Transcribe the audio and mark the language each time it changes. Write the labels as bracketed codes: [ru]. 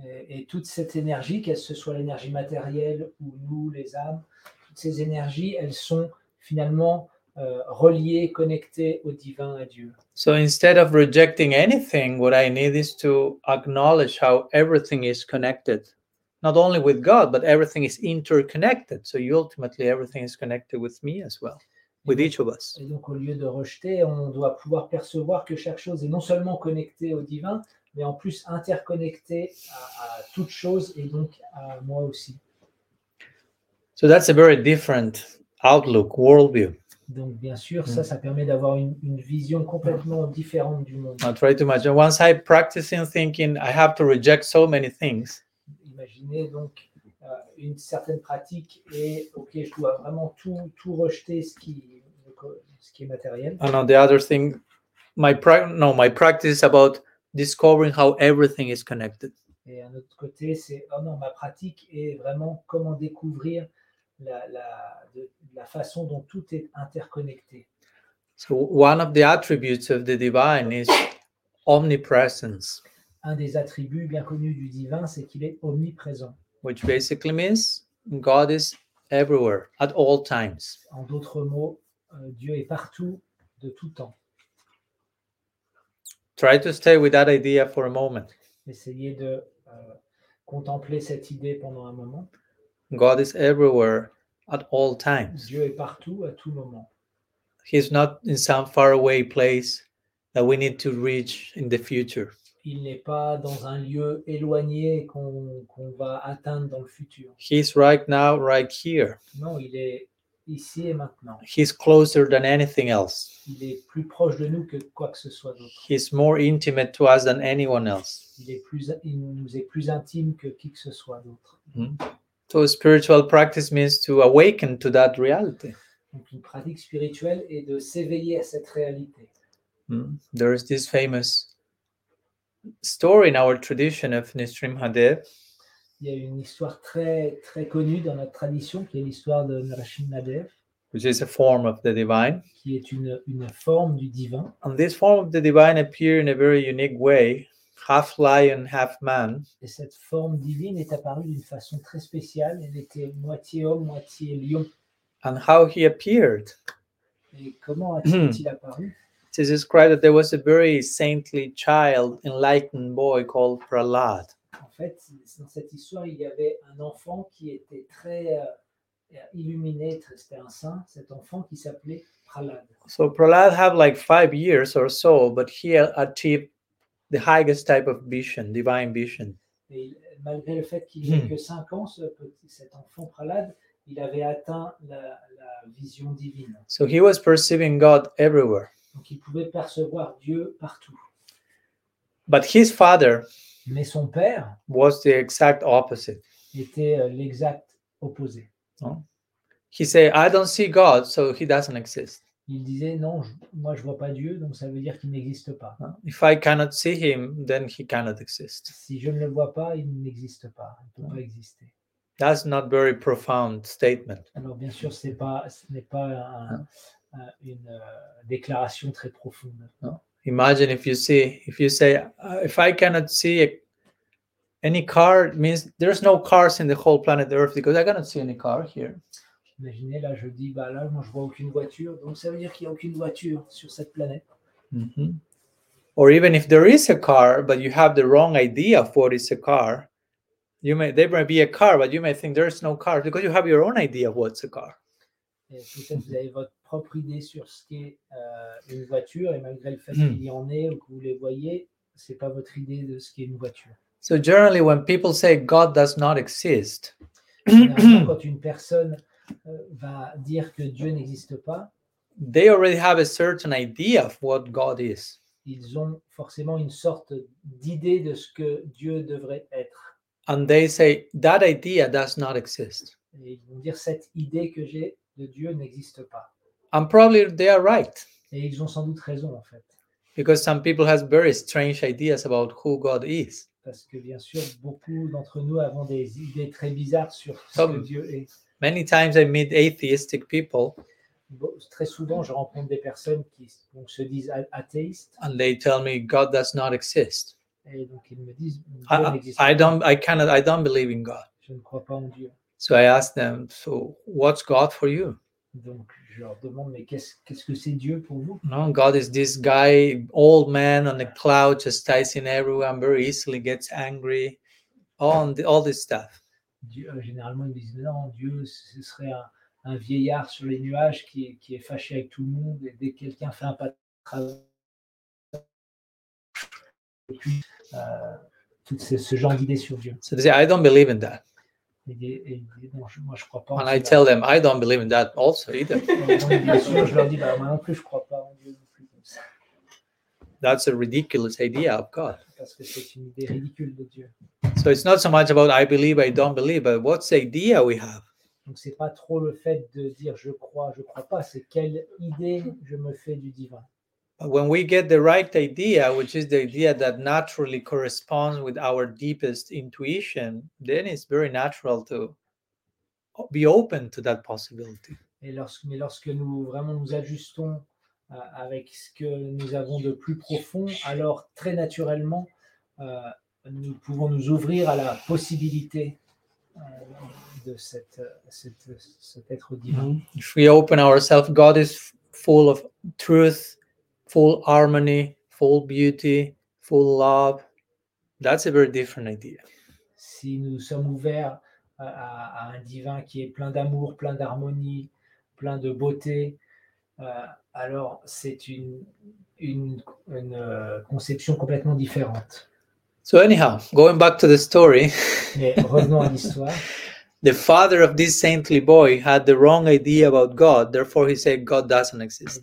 [fr] Et toute cette énergie, qu'elle ce soit l'énergie matérielle ou nous, les âmes, ces énergies, elles sont finalement reliées, connectées au divin, à Dieu. [en] So instead of rejecting anything, what I need is to acknowledge how everything is connected, not only with God, but everything is interconnected. So ultimately, everything is connected with me as well, with each of us. [fr] Et donc, au lieu de rejeter, on doit pouvoir percevoir que chaque chose est non seulement connectée au divin, mais en plus interconnectée à toute chose et donc à moi aussi. [en] So that's a very different outlook, worldview. [fr] Donc bien sûr, ça permet d'avoir une vision complètement différente du monde. [en] I'll try to imagine. Once I practice in thinking, I have to reject so many things. [fr] Imaginez donc une certaine pratique et ok, je dois vraiment tout rejeter ce qui est matériel. [en] And on the other thing, my practice is about discovering how everything is connected. [fr] Et un autre côté, c'est oh non, ma pratique est vraiment comment découvrir la façon dont tout est interconnecté. [en] So one of the attributes of the divine is omnipresence. [fr] Un des attributs bien connus du divin, c'est qu'il est omniprésent. [en] Which basically means God is everywhere, at all times. [fr] En d'autres mots, Dieu est partout, de tout temps. [en] Try to stay with that idea for a moment. [fr] Essayez de contempler cette idée pendant un moment. [en] God is everywhere at all times. [fr] Dieu est partout à tout moment. [en] He's not in some faraway place that we need to reach in the future. [fr] Il n'est pas dans un lieu éloigné qu'on va atteindre dans le futur. [en] He's right now, right here. [fr] Non, il est ici et maintenant. [en] He's closer than anything else. [fr] Il est plus proche de nous que quoi que ce soit d'autre. [en] He's more intimate to us than anyone else. [fr] Il nous est plus intime que qui que ce soit d'autre. Mm-hmm. [en] So spiritual practice means to awaken to that reality. [fr] Donc une pratique spirituelle est de s'éveiller à cette réalité. [en] There is this famous story in our tradition of Nisrim Hadev. [fr] Il y a une histoire très très connue dans notre tradition qui est l'histoire de Nisrim Hadev. [en] Which is a form of the divine. [fr] Qui est une forme du divin. [en] And this form of the divine appears in a very unique way. Half lion, half man. [fr] Et cette forme divine est apparue d'une façon très spéciale. Elle était moitié homme, moitié lion. [en] And how he appeared. [fr] Et comment a-t-il apparu? [en] It is described that there was a very saintly child, enlightened boy called Prahlad. [fr] En fait, dans cette histoire, il y avait un enfant qui était très illuminé, c'était un saint, cet enfant qui s'appelait Prahlad. [en] So Prahlad had like 5 years or so, but he achieved the highest type of vision, divine vision. [fr] Et malgré le fait qu'il n'ait que 5 ans, cet enfant Prahlad, il avait atteint la vision divine. [en] So he was perceiving God everywhere. [fr] Donc il pouvait percevoir Dieu partout. [en] But his father, [fr] mais son père, [en] was the exact opposite. [fr] Était l'exact opposé. [en] No? He said, "I don't see God, so he doesn't exist." [fr] Il disait non, moi je vois pas Dieu, donc ça veut dire qu'il n'existe pas. [en] If I cannot see him, then he cannot exist. [fr] Si je ne le vois pas, il n'existe pas, il ne peut pas exister. [en] That's not very profound statement. [fr] Alors bien sûr, ce n'est pas une déclaration très profonde. [en] No. Imagine if I cannot see any car, means there's no cars in the whole planet Earth because I cannot see any car here. [fr] Imaginez, là, je dis, bah là, moi, je vois aucune voiture, donc ça veut dire qu'il n'y a aucune voiture sur cette planète. Mm-hmm. [en] Or even if there is a car, but you have the wrong idea of what is a car, you may think there is no car because you have your own idea of what's a car. [fr] Et peut-être vous avez votre propre idée sur ce qu'est une voiture, et malgré le fait qu'il y en ait ou que vous les voyez, c'est pas votre idée de ce qu'est une voiture. [en] So generally, when people say God does not exist, [fr] quand une personne va dire que Dieu n'existe pas. [en] They already have a certain idea of what God is. [fr] Ils ont forcément une sorte d'idée de ce que Dieu devrait être. [en] And they say that idea does not exist. [fr] Et ils vont dire cette idée que j'ai de Dieu n'existe pas. [en] And probably they are right. [fr] Et ils ont sans doute raison en fait. [en] Because some people have very strange ideas about who God is. [fr] Parce que bien sûr beaucoup d'entre nous avons des idées très bizarres sur ce que Dieu est. [en] Many times I meet atheistic people. [fr] Très souvent, je rencontre des personnes qui donc, se disent athéistes. [en] And they tell me God does not exist. [fr] Et donc ils me disent Dieu n'existe pas. [en] I don't believe in God. [fr] Je ne crois pas en Dieu. [en] So I ask them, so what's God for you? [fr] Donc je leur demande, mais qu'est-ce que c'est Dieu pour vous? [en] No, God is this guy, old man on the cloud, chastising everyone, very easily gets angry, all this stuff. [fr] Généralement, ils disent non, Dieu, ce serait un vieillard sur les nuages qui est fâché avec tout le monde. Et dès que quelqu'un fait un pas de travail, tout ce genre d'idées sur Dieu. [en] So they say, I don't believe in that. [fr] Moi, je crois pas. [en] And I tell them, I don't believe in that also either. [fr] Bien sûr, je leur dis, moi non plus, je crois pas en Dieu non plus. [en] That's a ridiculous idea of God. [fr] Parce que c'est une idée ridicule de Dieu. [en] So it's not so much about I believe, I don't believe, but what's the idea we have? [fr] Donc c'est pas trop le fait de dire je crois pas, c'est quelle idée je me fais du divin. [en] But when we get the right idea, which is the idea that naturally corresponds with our deepest intuition, then it's very natural to be open to that possibility. [fr] Mais lorsque nous vraiment nous ajustons avec ce que nous avons de plus profond, alors très naturellement, nous pouvons nous ouvrir à la possibilité de cet être divin. [en] If we open ourselves, God is full of truth, full harmony, full beauty, full love, that's a very different idea. [fr] Si nous sommes ouverts à un divin qui est plein d'amour, plein d'harmonie, plein de beauté, alors c'est une conception complètement différente. [en] So anyhow, going back to the story. [fr] Mais revenons à l'histoire. [en] The father of this saintly boy had the wrong idea about God, therefore he said God doesn't exist.